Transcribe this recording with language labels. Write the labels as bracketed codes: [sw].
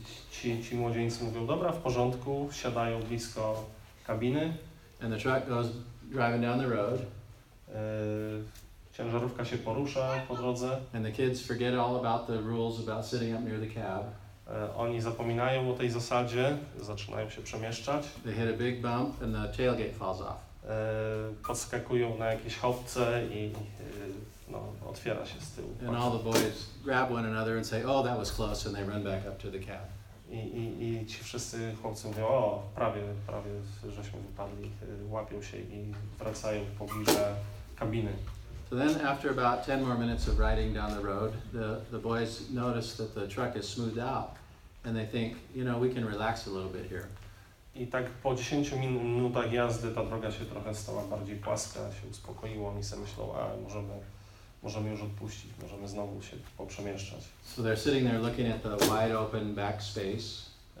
[pl] Czyli ci młodzieńcy mówią, dobra, w porządku, siadają blisko kabiny. [en] And the truck goes driving down the road. [pl] Ciężarówka się porusza po drodze. [en] And the kids forget all about the rules about sitting up near the cab. [pl] Oni zapominają o tej zasadzie, zaczynają się przemieszczać. [en] They hit a big bump and the tailgate falls off. [pl] Podskakują na jakieś chopce i otwiera się z tyłu. [en] And all the boys grab one another and say, "Oh, that was close," and they run back up to the cab. [pl] I ci wszyscy chłopcy mówią, "O, prawie żeśmy wypadli." Łapią się i wracają w pobliże kabiny. [en] So then after about 10 more minutes of riding down the road, the boys notice that the truck is smoothed out and they think, "You know, we can relax a little bit here." [pl] I tak po 10 minutach jazdy ta droga się trochę stała bardziej płaska, się uspokoiło, mi się myślał, a możemy już odpuścić, możemy znowu się poprzemieszczać. [en] So they're sitting there looking at the wide open back space.